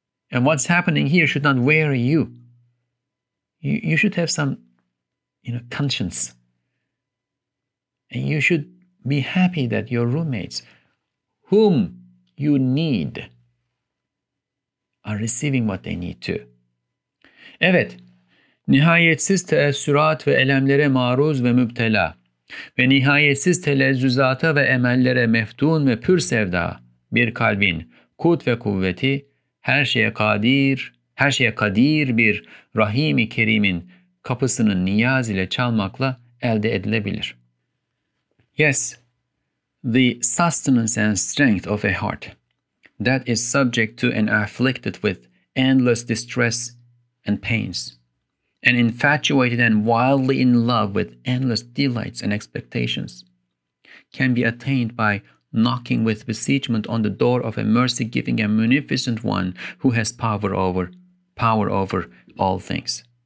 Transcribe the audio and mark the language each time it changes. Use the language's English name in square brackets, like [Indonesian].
[English] And what's happening here should not weary you. You should have some, conscience. And you should be happy that your roommates, whom you need, are receiving what they need too. [Turkish] Evet, nihayetsiz teessürat ve elemlere maruz ve müptela ve nihayetsiz telezzüzata ve emellere meftun ve pür sevda bir kalbin kut ve kuvveti, her şeye kadir bir Rahim-i Kerim'in kapısını niyaz ile çalmakla elde edilebilir. [English] Yes, the sustenance and strength of a heart that is subject to and afflicted with endless distress and pains, and infatuated and wildly in love with endless delights and expectations, can be attained by knocking with beseechment on the door of a mercy-giving and munificent one who has power over all things.